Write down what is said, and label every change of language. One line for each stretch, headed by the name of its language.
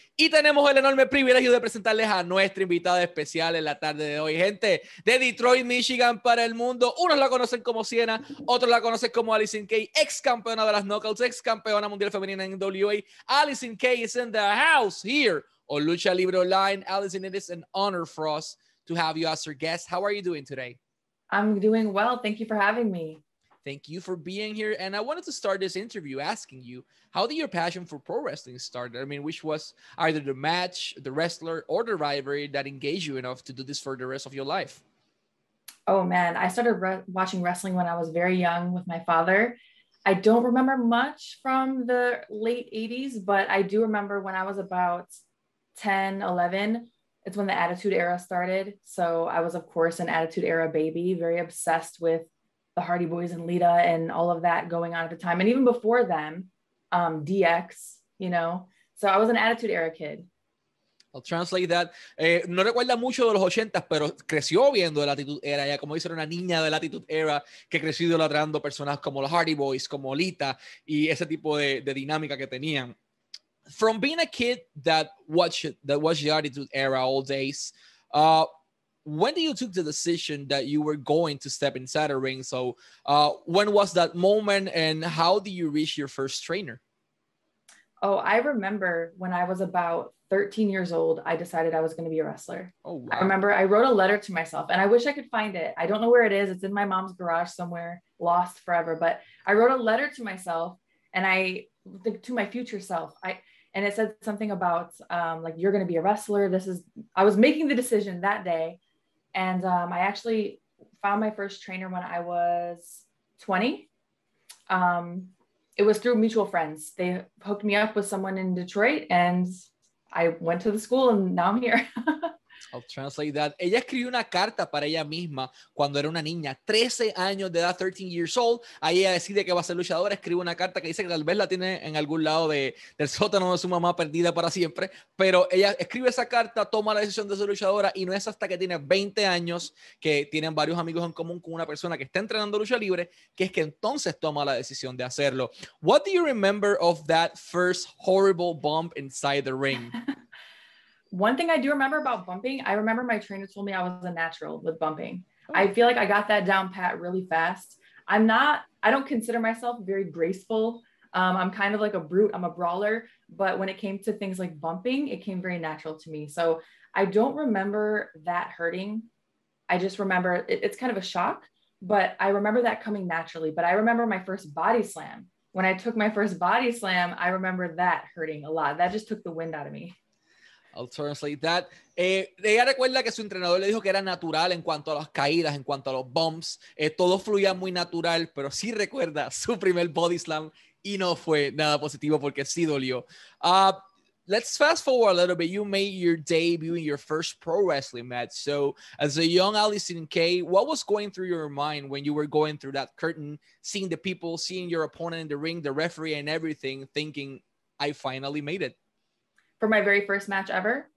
Spanish: Y tenemos el enorme privilegio de presentarles a nuestra invitada especial en la tarde de hoy. Gente de Detroit, Michigan, para el mundo. Unos la conocen como Siena, otros la conocen como Allysin Kay, ex campeona de las Knuckles, ex campeona mundial femenina en NWA.
English: Allysin Kay is in the house here on Lucha Libre Online. Allysin, it is an honor for us to have you as our guest. How are you doing today? I'm doing well. Thank you for having me. Thank you for being here. And I wanted to start this interview asking you, how did your passion for pro wrestling start? I mean, which was either the match, the wrestler, or the rivalry that engaged you enough to do this for the rest of your life? Oh, man. I started watching wrestling when I was very young with my father. I don't remember much from the late 80s, but I do remember when I was about 10, 11, it's when the Attitude Era started. So I was, of course, an Attitude Era baby, very obsessed with the Hardy Boys and Lita and all of that going on at the time. And even before them, DX, you know. So I was an Attitude Era kid. I'll translate that.
Spanish: No recuerda mucho de los ochentas, pero creció viendo la Attitude Era. Ya como dice, era una niña de la Attitude Era que creció idolatrando personas como los Hardy Boys, como Lita, y ese tipo de dinámica que tenían.
English: From being a kid that watched the Attitude Era all days, when did you took the decision that you were going to step inside a ring? So when was that moment and how did you reach your first trainer? Oh, I remember when I was about 13 years old, I decided I was going to be a wrestler. Oh, wow. I remember I wrote a letter to myself and I wish I could find it. I don't know where it is. It's in my mom's garage somewhere, lost forever. But I wrote a letter to myself and I think to my future self, and it said something about, like, you're going to be a wrestler. I was making the decision that day. And I actually found my first trainer when I was 20. It was through mutual friends. They hooked me up with someone in Detroit and I went to the school and now I'm here. I'll translate that.
Spanish: Ella escribió una carta para ella misma cuando era una niña, 13 años de edad,
English: 13 years old.
Spanish: Ahí ella decide que va a ser luchadora, escribe una carta que dice que tal vez la tiene en algún lado del sótano de su mamá perdida para siempre. Pero ella escribe esa carta, toma la decisión de ser luchadora y no es hasta que tiene 20 años que tienen varios amigos en común con una persona que está entrenando lucha libre, que es que entonces toma la decisión de hacerlo.
English: What do you remember of that first horrible bump inside the ring? One thing I do remember about bumping, I remember my trainer told me I was a natural with bumping. Oh. I feel like I got that down pat really fast. I don't consider myself very graceful. I'm kind of like a brute. I'm a brawler. But when it came to things like bumping, it came very natural to me. So I don't remember that hurting. I just remember it's kind of a shock, but I remember that coming naturally. But I remember my first body slam. When I took my first body slam, I remember that hurting a lot. That just took the wind out of me. I'll translate that.
Spanish: Ella recuerda que su entrenador le dijo que era natural en cuanto a las caídas, en cuanto a los bumps. Todo fluía muy natural, pero sí recuerda su primer body slam y no fue nada positivo porque sí dolió.
English: Let's fast forward a little bit. You made your debut in your first pro wrestling match. So as a young Allysin Kay, what was going through your mind when you were going through that curtain, seeing the people, seeing your opponent in the ring, the referee and everything, thinking, I finally made it? For my very first match ever?